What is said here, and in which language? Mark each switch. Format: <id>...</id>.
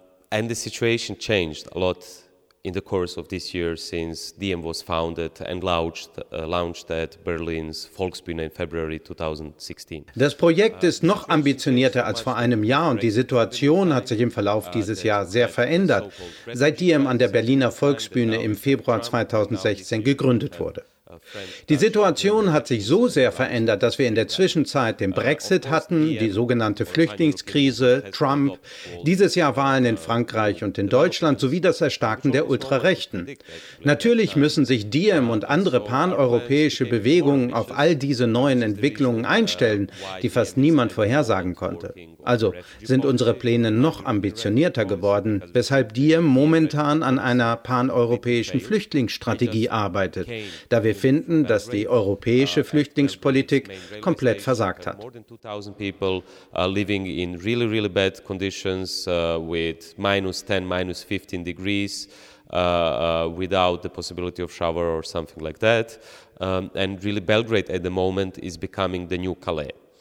<en>And the situation changed a lot in the course of this year since DiEM was founded and launched at Berlin's Volksbühne in February 2016.</en> <de>Das Projekt ist noch ambitionierter als vor einem Jahr und die Situation hat sich im Verlauf dieses Jahr sehr verändert, seit DiEM an der Berliner Volksbühne im Februar 2016 gegründet wurde. Die Situation hat sich so sehr verändert, dass wir in der Zwischenzeit den Brexit hatten, die sogenannte Flüchtlingskrise, Trump, dieses Jahr Wahlen in Frankreich und in Deutschland sowie das Erstarken der Ultrarechten. Natürlich müssen sich DiEM und andere paneuropäische Bewegungen auf all diese neuen Entwicklungen einstellen, die fast niemand vorhersagen konnte. Also sind unsere Pläne noch ambitionierter geworden, weshalb DiEM momentan an einer paneuropäischen Flüchtlingsstrategie arbeitet, da wir finden, dass die europäische Flüchtlingspolitik komplett versagt hat.</de> <en>More than 2000 people are living in really, really bad conditions with minus 10, minus 15 degrees without the possibility of shower or something like that. And really Belgrade at the moment is becoming the new Calais.</en>